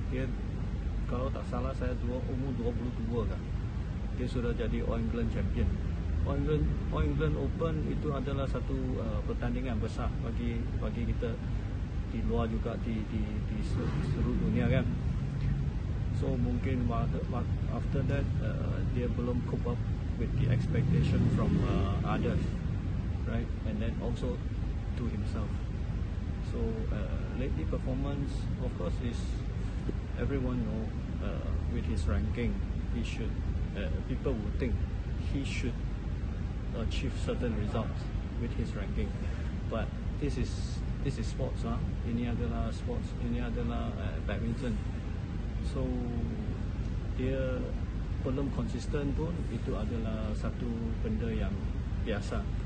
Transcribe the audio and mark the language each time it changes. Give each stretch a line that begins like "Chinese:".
Malay: Dia kalau tak salah saya umur 22 kan. Dia sudah jadi All England champion. All England Open itu adalah satu pertandingan besar bagi kita di luar juga di seluruh dunia kan. So mungkin
English: after that
Malay: dia belum
English: cope up with the expectation from others, right? And then also to himself. So lately performance, of course, is everyone know with his ranking, he should people would think he should achieve certain results with his ranking. But this is sports, huh?
Malay: Ini adalah sports, ini adalah badminton. So dia belum konsisten pun, itu adalah satu benda yang biasa.